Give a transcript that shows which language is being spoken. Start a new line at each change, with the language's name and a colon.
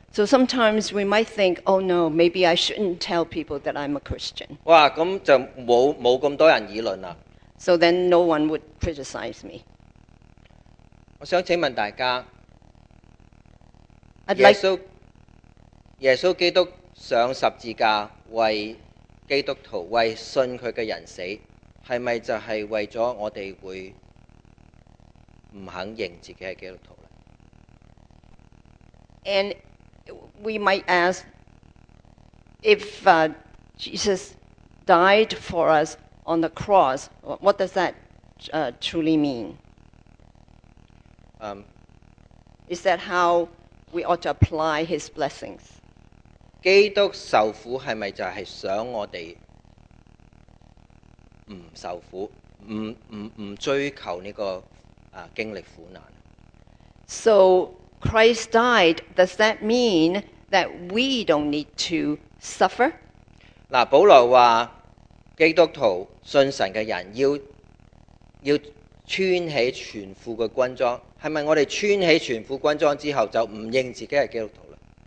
English: So sometimes we might think, oh no, maybe I shouldn't tell people that I'm a Christian.
Chinese: 哇，那就沒那麼多人議論了。
English: So then no one would criticize me.
Chinese: 我想請問大家，耶穌基督上十字架為基督徒，為信他的人死，是不是就是為了我們會不肯認自己是基督徒呢？
English: And we might ask, if Jesus died for us on the cross, what does that truly mean? Is that how we ought to apply his blessings?
Chinese: 基督受苦是不是就是想我們不受苦，不追求這個經歷苦難。
English: So Christ died, does that mean that we don't need to suffer?
Chinese: 保羅說基督徒信神的人要穿起全副的軍裝，是不是我們穿起全副軍裝之後就不認自己是基督徒了？